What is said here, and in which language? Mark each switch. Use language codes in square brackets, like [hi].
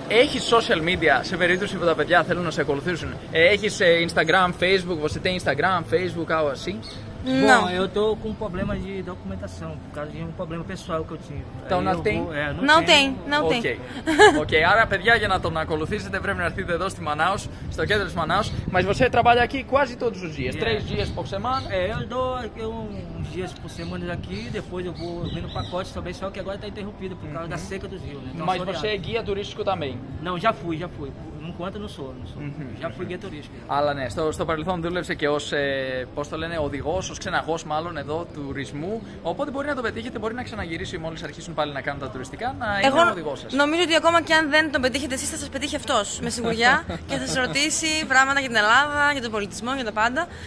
[el] Έχεις social media σε περίπτωση που τα παιδιά θέλουν να σε ακολουθήσουν? Έχεις Instagram, Facebook? [pt] Você tem Instagram, Facebook, algo assim? Não. Bom, eu tô com um problema de documentação, por causa de um problema pessoal que eu tive. Então não tem? Não tem. Ok. [el] Άρα, παιδιά, για να τον ακολουθήσετε, πρέπει να έρθετε εδώ στη Manaus, στο κέντρο της Manaus. [pt] Mas você trabalha aqui quase todos os dias, 3 dias por semana? Eu dou uns dias por semana aqui, depois eu vou vendo pacotes também, só que agora tá interrompido por causa da seca dos rios. Então, mas você é guia turístico também? Não, já fui. Enquanto não sou. Já fui guia turístico. [el] Αλλά ναι, στο παρελθόν δούλεψε και ως, πώς το λένε, οδηγός, ως ξεναγός μάλλον εδώ τουρισμού. Οπότε μπορεί να το πετύχετε, μπορεί να ξαναγυρίσει μόλις αρχίσουν πάλι να κάνουν τα τουριστικά, να είναι ο οδηγός σας. Νομίζω ότι ακόμα και αν δεν τον πετύχετε εσείς, θα σας πετύχει αυτός με σιγουριά και θα σας ρωτήσει πράγματα για την Ελλάδα, για τον πολιτισμό, για τα πάντα.